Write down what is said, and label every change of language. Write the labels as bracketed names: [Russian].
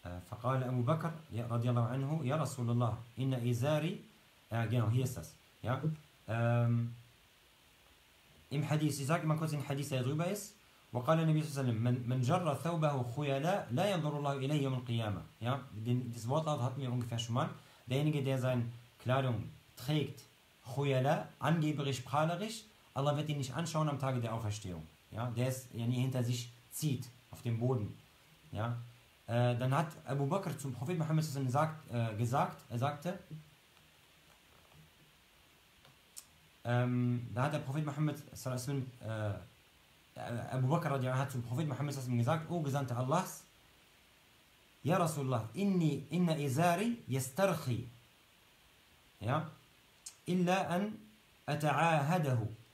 [Arabic] فقال أبو بكر رضي الله عنه يا رسول الله إن إزاري [German] genau, hier ist das. Ja? Im Hadith, ich sage mal kurz den Hadith, der drüber ist. [Arabic] وقال النبي صلى الله عليه وسلم من جرى ثوبه خيلاء لا ينظر الله إليه يوم القيامة. [German] Ja? Das Wortlaut hatten wir ungefähr schon mal. Derjenige, der seine Kleidung trägt, خيلاء, angeberisch, prahlerisch, Allah wird ihn nicht anschauen am Tage der Auferstehung. Ja? Der es ja nie hinter sich zieht, auf dem Boden. Ja? Dann hat Abu Bakr zum Prophet Muhammad gesagt, O Gesandte Allahs, [Arabic] Ya Rasulullah, inna izari yastarkhi, ja, illa an ata'ahadahu.